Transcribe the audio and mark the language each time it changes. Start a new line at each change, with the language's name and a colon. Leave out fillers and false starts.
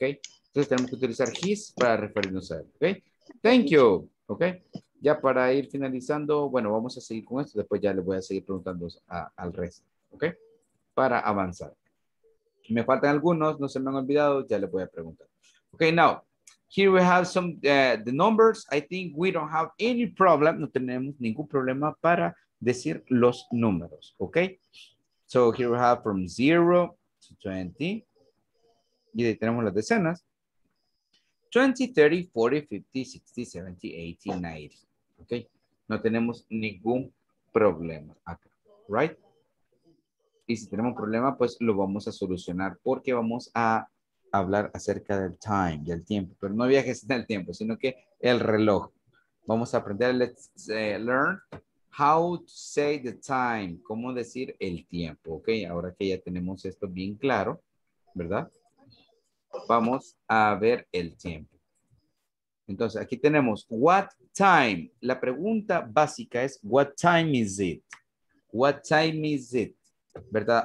Spanish: Entonces tenemos que utilizar his para referirnos a él, ¿ok?
English: Thank you,
Spanish: ¿ok? Ya para ir finalizando, bueno, vamos a seguir con esto. Después ya le voy a seguir preguntando al resto, ¿ok? Para avanzar. Me faltan algunos, no se me han olvidado, ya les voy a preguntar.
English: Okay, now, here we have some, the numbers. I think we don't have any problem,
Spanish: no tenemos ningún problema para decir los números,
English: okay? So here we have from 0 to 20,
Spanish: y ahí tenemos las decenas.
English: 20, 30, 40, 50, 60, 70, 80, 90, okay?
Spanish: No tenemos ningún problema acá,
English: right?
Spanish: Y si tenemos un problema, pues lo vamos a solucionar porque vamos a hablar acerca del time, del tiempo. Pero no viajes en el tiempo, sino que el reloj. Vamos a aprender,
English: let's learn how to say the time.
Spanish: Cómo decir el tiempo, ¿ok? Ahora que ya tenemos esto bien claro, ¿verdad? vamos a ver el tiempo. Entonces, aquí tenemos,
English: what time?
Spanish: La pregunta básica es,
English: what time is it? What time is it?
Spanish: ¿Verdad?